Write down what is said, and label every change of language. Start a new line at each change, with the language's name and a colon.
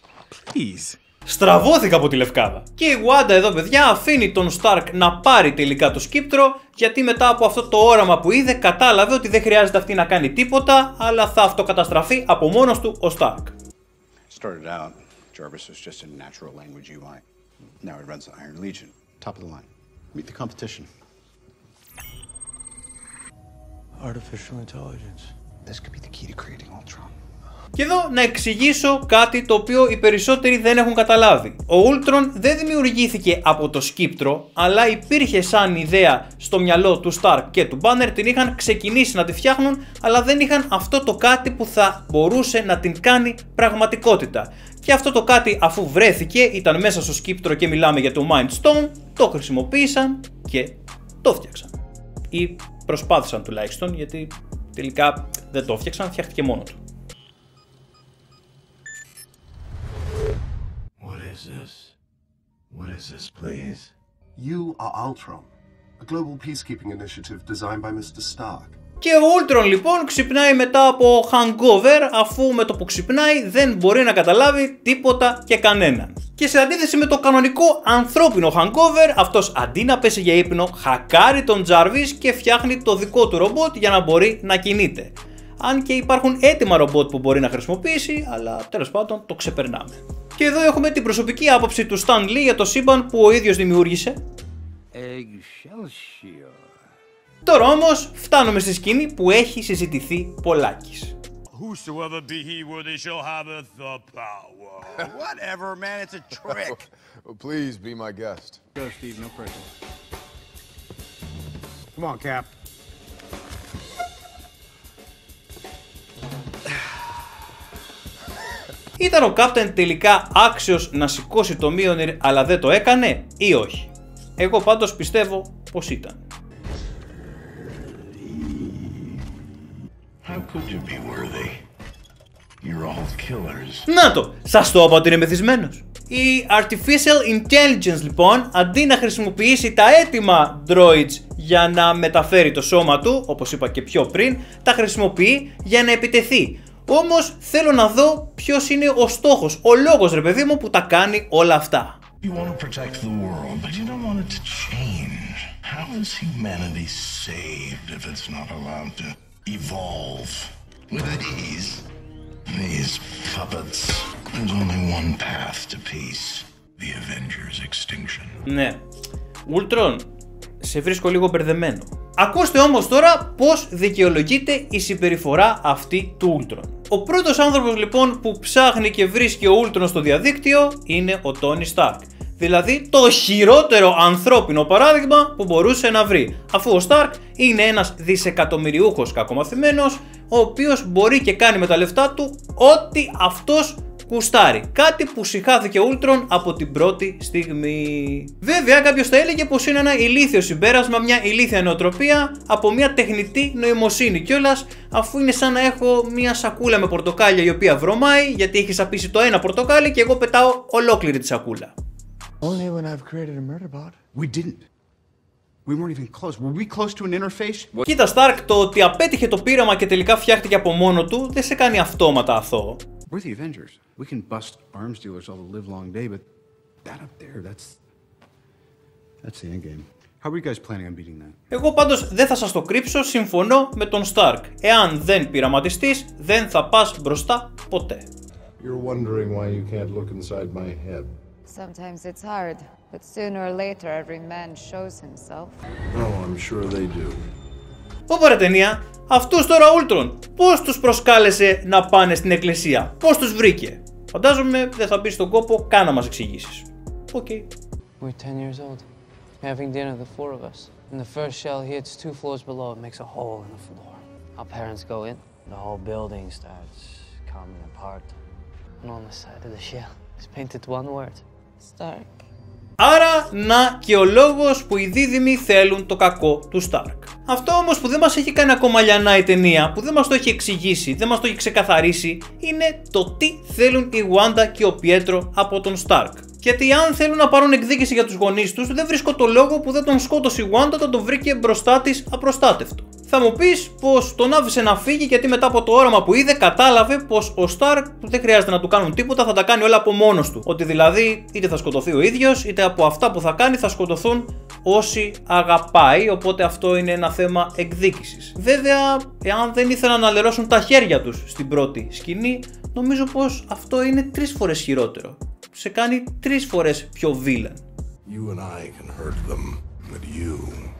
English: Please.
Greek: Στραβώθηκα από τη λευκάδα. Και η Wanda εδώ, παιδιά, αφήνει τον Stark να πάρει τελικά το σκύπτρο, γιατί μετά από αυτό το όραμα που είδε, κατάλαβε ότι δεν χρειάζεται αυτή να κάνει τίποτα, αλλά θα αυτοκαταστραφεί από μόνος του ο Stark.
English: Started out, Jarvis was just a natural language UI. Now he runs the Iron Legion. Top of the line. Meet the competition. Artificial intelligence. This could be the key to creating Ultron.
Greek: Και εδώ να εξηγήσω κάτι το οποίο οι περισσότεροι δεν έχουν καταλάβει. Ο Ultron δεν δημιουργήθηκε από το σκύπτρο, αλλά υπήρχε σαν ιδέα στο μυαλό του Stark και του Banner, την είχαν ξεκινήσει να τη φτιάχνουν, αλλά δεν είχαν αυτό το κάτι που θα μπορούσε να την κάνει πραγματικότητα. Και αυτό το κάτι, αφού βρέθηκε, ήταν μέσα στο σκύπτρο και μιλάμε για το Mind Stone, το χρησιμοποίησαν και το φτιάξαν. Ή προσπάθησαν τουλάχιστον, γιατί Τελικά δεν το έφτιαξαν, φτιάχτηκε μόνο του.
English: What is this, please? You are Ultron, a global peacekeeping initiative designed by Mr. Stark.
Greek: Και ο Ultron λοιπόν ξυπνάει μετά από hangover, αφού με το που ξυπνάει δεν μπορεί να καταλάβει τίποτα και κανέναν. Και σε αντίθεση με το κανονικό ανθρώπινο hangover, αυτός αντί να πέσει για ύπνο, χακάρει τον Jarvis και φτιάχνει το δικό του ρομπότ για να μπορεί να κινείται. Αν και υπάρχουν έτοιμα ρομπότ που μπορεί να χρησιμοποιήσει, αλλά τέλος πάντων το ξεπερνάμε. Και εδώ έχουμε την προσωπική άποψη του Stan Lee για το σύμπαν που ο ίδιος δημιούργησε.
English: Excelsior.
Greek: Τώρα όμως φτάνουμε στη σκηνή που έχει συζητηθεί πολλάκις.
English: Whosoever be he worthy shall have the power. Whatever, man, it's a trick. Please be my guest. Go, Steve, no pressure. Come on, Cap.
Greek: Ήταν ο Captain τελικά άξιος να σηκώσει το Mjolnir, αλλά δεν το έκανε ή όχι? Εγώ πάντως πιστεύω πως ήταν.
English: How could you be worthy? You're all killers.
Greek: Να το! Σας το είπα ότι είναι μεθυσμένος. Η Artificial Intelligence λοιπόν, αντί να χρησιμοποιήσει τα έτοιμα droids για να μεταφέρει το σώμα του, όπως είπα και πιο πριν, τα χρησιμοποιεί για να επιτεθεί. Όμως θέλω να δω ποιος είναι ο στόχος, ο λόγος ρε παιδί μου που τα κάνει όλα αυτά.
English: You want to protect the world, but you don't want it to change. How is humanity saved if it's not allowed to evolve with ease? These puppets. There's only one path to peace. The Avengers extinction.
Greek: Ναι, Ultron, σε βρίσκω λίγο μπερδεμένο. Ακούστε όμως τώρα πώς δικαιολογείται η συμπεριφορά αυτή του Ultron. Ο πρώτος άνθρωπος λοιπόν που ψάχνει και βρίσκει ο Ultron στο διαδίκτυο είναι ο Tony Stark. Δηλαδή το χειρότερο ανθρώπινο παράδειγμα που μπορούσε να βρει. Αφού ο Stark είναι ένας δισεκατομμυριούχος κακομαθημένος, ο οποίος μπορεί και κάνει με τα λεφτά του ό,τι αυτός κουστάρει. Κάτι που συχάθηκε ο Ultron από την πρώτη στιγμή. Βέβαια, κάποιος θα έλεγε πως είναι ένα ηλίθιο συμπέρασμα, μια ηλίθια νοοτροπία από μια τεχνητή νοημοσύνη κιόλας, αφού είναι σαν να έχω μια σακούλα με πορτοκάλια η οποία βρωμάει, γιατί έχει σαπίσει το ένα πορτοκάλι και εγώ πετάω ολόκληρη τη σακούλα.
English: Only when I've created a murder bot. We didn't. We weren't even close. Were we close to an interface?
Greek: Κοίτα, Stark, το ότι απέτυχε το πείραμα και τελικά φτιάχτηκε από μόνο του δεν σε κάνει αυτόματα αθώο.
English: We're the Avengers. We can bust arms dealers all the live long day, but that up there, that's the end game. How are you guys planning on beating that?
Greek: Εγώ πάντως δεν θα σας το κρύψω, συμφωνώ με τον Stark. Εάν δεν πειραματιστείς, δεν θα πας μπροστά ποτέ.
English: You're wondering why you can't look inside my head. Sometimes it's hard, but sooner or later every man shows himself. Oh, I'm sure they do.
Greek: Ωπα ρε ταινία, αυτούς τώρα Ultron, πώς τους προσκάλεσε να πάνε στην εκκλησία, πώς τους βρήκε? Φαντάζομαι δεν θα μπει στον κόπο καν να μας εξηγήσεις. Οκ.
English: We're 10 years old, having dinner the four of us. And the first shell hits two floors below, it makes a hole in the floor. Our parents go in, the whole building starts coming apart. And on the side of the shell, it's painted one word. Stark.
Greek: Άρα, να και ο λόγος που οι δίδυμοι θέλουν το κακό του Stark. Αυτό όμως που δεν μας έχει κάνει ακόμα λιανά η ταινία, που δεν μας το έχει εξηγήσει, δεν μας το έχει ξεκαθαρίσει, είναι το τι θέλουν η Wanda και ο Pietro από τον Stark. Γιατί αν θέλουν να πάρουν εκδίκηση για τους γονείς τους, δεν βρίσκω το λόγο που δεν τον σκότωσε η Wanda όταν τον βρήκε μπροστά της απροστάτευτο. Θα μου πεις πως τον άφησε να φύγει γιατί μετά από το όραμα που είδε κατάλαβε πως ο Stark δεν χρειάζεται να του κάνουν τίποτα, θα τα κάνει όλα από μόνος του. Ότι δηλαδή είτε θα σκοτωθεί ο ίδιος είτε από αυτά που θα κάνει θα σκοτωθούν όσοι αγαπάει, οπότε αυτό είναι ένα θέμα εκδίκησης. Βέβαια, εάν δεν ήθελαν να λερώσουν τα χέρια τους στην πρώτη σκηνή, νομίζω πως αυτό είναι τρεις φορές χειρότερο. Σε κάνει τρεις φορές πιο villain.
English: You and I can hurt them, but you...